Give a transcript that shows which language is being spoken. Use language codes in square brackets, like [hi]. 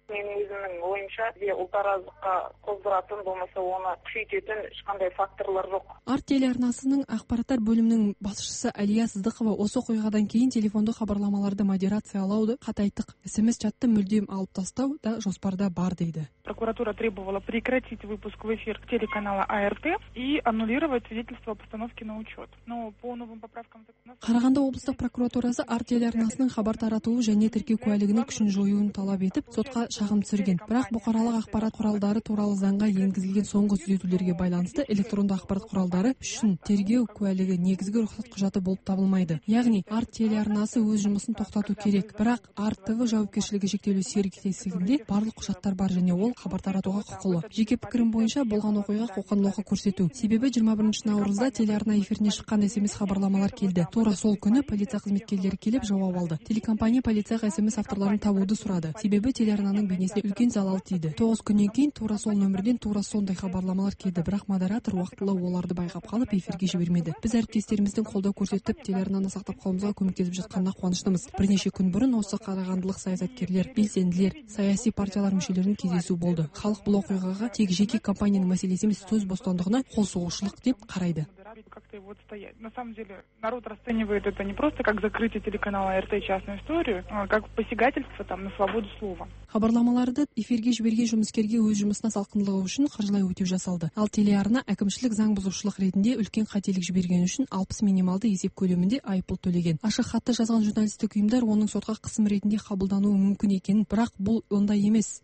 [kk] менің өзімнің ойымша ұлтараздыққа қоздыратын, болмаса оны күшейтетін ешқандай факторлар жоқ. Арт телеарнасының ақпараттар бөлімінің басшысы Әлия Сыздықова осы оқиғадан кейін телефонды хабарламаларды модерациялауды қатайттық, СМС чатты мүлдем алып тастау да жоспарда бар дейді. [ru] Прокуратура требовала прекратить выпуск в эфир телеканала АРТ и аннулировать свидетельство о постановке на учет. Но по новым поправкам закона. [kk] Қарағанды облыстық прокуратурасы арт телеарнасының хабар таратуы және тіркеу куәлігінің күшін жоюын талап етіп, сотқа шағым түсірген. Бірақ бұқаралық ақпарат құралдары туралы заңға енгізілген соңғы түзетулерге байланысты электронды ақпарат құралдары үшін тергеу куәлігі негізгі рұқсат құжаты болып табылмайды. Яғни арт телеарнасы өз жұмысын тоқтату керек. Бірақ арт-ТВ жауапкершілігі шектеулі серіктестігінде барлық құжаттар бар және ол хабар таратуға құқылы. Жеке пікірім бойынша болған оқиға қоқан-лоқы көрсету. Себебі 21 наурызда телеарна эфиріне шыққан СМС хабарламалар келді. Тура сол күні полиция қызметкерлері келіп жауап алды. Телекомпания полицияға СМС авторларын табуды сұрады. Себебі телеарнаның бейнесіне үлкен залал тиді. 9 күннен кейін тура сол нөмірден тура сондай хабарламалар келді, бірақ модератор уақытылы оларды байқап қалып эфирге жібермеді. Біз әріптестеріміздің қолдау көрсетіп, телеарнаны сақтап қалуымызға көмектесіп жатқанына қуаныштымыз. Бірнеше күн бұрын осы қарағандылық саясаткерлер, белсенділер, саяси партиялар мүшелерінің кездесуі болды. Халық бұл оқиғаға тек жеке компанияның мәселесі емес, сөз бостандығына қол соғушылық деп қарайды. [ru] На самом деле, народ расценивает это не просто как закрытие телеканала РТ частную историю, а как посягательство там на свободу слова. [kk] Хабарламаларды эфирге жіберген жұмыскерге өз жұмысына салқындылығы үшін қаржылай өтеу жасалды. Ал телеарна әкімшілік заң бұзушылық ретінде үлкен қателік жіберген үшін 60 минималды есеп көлемінде айыппұл төлеген. Ашық хатты жазған журналистік ұйымдар оның сотқа қысым ретінде қабылдануы мүмкін екенін, бірақ бұл ондай емес.